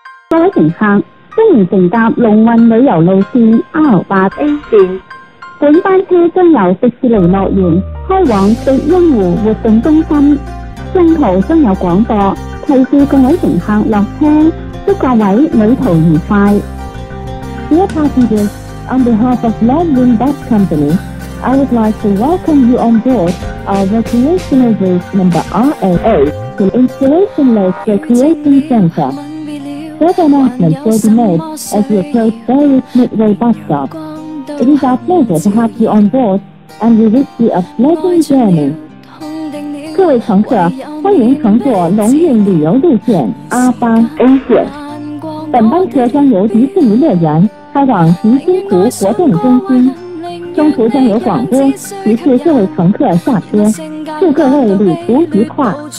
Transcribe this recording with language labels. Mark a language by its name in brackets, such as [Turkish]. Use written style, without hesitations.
[Chinese] 各位乘客，欢迎乘搭龙运旅游路线 R8A 线，本班车将由迪士尼乐园开往迪欣湖活动中心，中途将有广播提示各位乘客落车，祝各位旅途愉快。 [English] Dear passengers, on behalf of Longwing Bus Company, I would like to welcome you on board our recreational route number RAA to Installation Lake Recreation Center. Further announcements will be made as we approach various midway bus stops. It is our pleasure to have you on board, and we wish you a pleasant journey. [Chinese] 各位乘客，欢迎乘坐龙运旅游路线 R8A 线。本班车将由迪士尼乐园开往迪欣湖活动中心，中途将有广播提示各位乘客下车，祝各位旅途愉快。